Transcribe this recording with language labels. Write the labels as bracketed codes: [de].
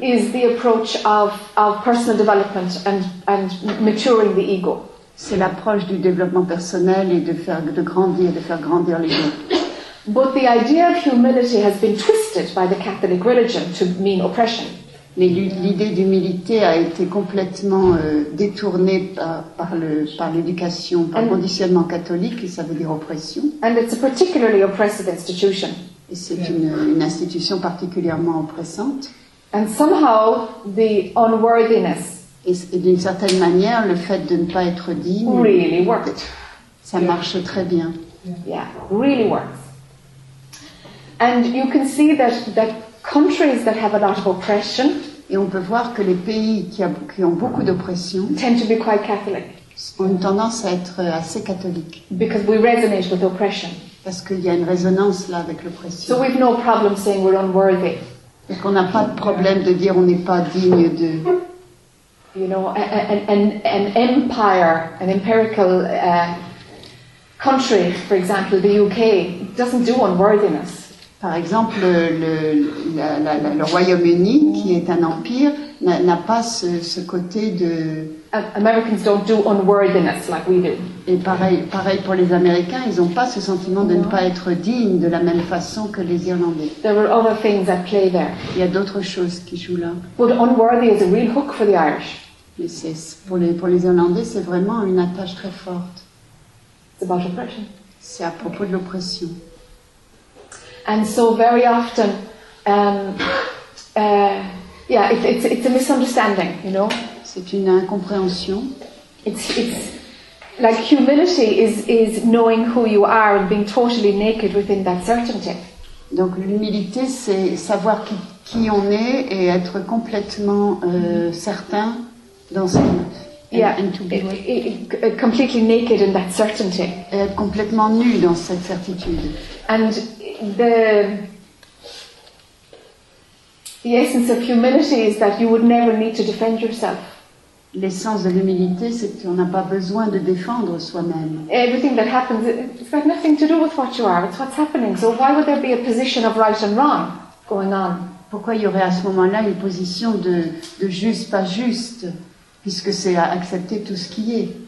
[en] Is the approach of personal development and maturing the ego. [fr] C'est l'approche du développement personnel et de faire grandir l'ego. [en] But the idea of humility has been twisted by the Catholic religion to mean oppression. [fr] Mais l'idée d'humilité a été complètement détournée par l'éducation, par le conditionnement catholique, et ça veut dire oppression. [en] And it's a particularly oppressive institution. [fr] Et c'est une institution particulièrement oppressante. [en] And somehow the unworthiness. [fr] Et d'une certaine manière, le fait de ne pas être digne. [en] Really worked. [fr] Ça marche très bien. [en] Yeah, really works. And you can see that countries that have a lot of oppression. [fr] Et on peut voir que les pays qui ont beaucoup d'oppression. [en] Tend to be quite Catholic. [fr] Ont une tendance à être assez catholique. [en] Because we resonate with oppression. [fr] Parce qu'il y a une résonance là avec l'oppression. [en] So we've no problem saying we're unworthy. [fr] Donc on n'a pas de problème de dire on n'est pas digne de. [en] You know, an empire, an empirical country, for example, the UK, doesn't do unworthiness. [fr] Par exemple, le Royaume-Uni, qui est un empire, n'a pas ce côté de. [en] Americans don't do unworthiness like we do. [fr] Et pareil pour les Américains, ils n'ont pas ce sentiment de ne pas être dignes de la même façon que les Irlandais. [en] There are other things at play there. [fr] Il y a d'autres choses qui jouent là. [en] But unworthy is a real hook for the Irish. [fr] Mais pour les Irlandais, c'est vraiment une attache très forte. [en] It's about oppression. [fr] C'est à propos de l'oppression. [en] And so very often, it's a misunderstanding, you know. [fr] C'est une incompréhension. [en] It's like humility is knowing who you are and being totally naked within that certainty. [fr] Donc l'humilité, c'est savoir qui on est et être complètement certain dans ce. [en] Completely naked in that certainty. [fr] Et être complètement nu dans cette certitude. [en] And the essence of humility is that you would never need to defend yourself. [fr] L'essence de l'humilité, c'est qu'on n'a pas besoin de défendre soi-même. [en] Everything that happens, it's got nothing to do with what you are. It's what's happening. So why would there be a position of right and wrong going on? [fr] Pourquoi il y aurait à ce moment-là une position de juste pas juste, puisque c'est à accepter tout ce qui est.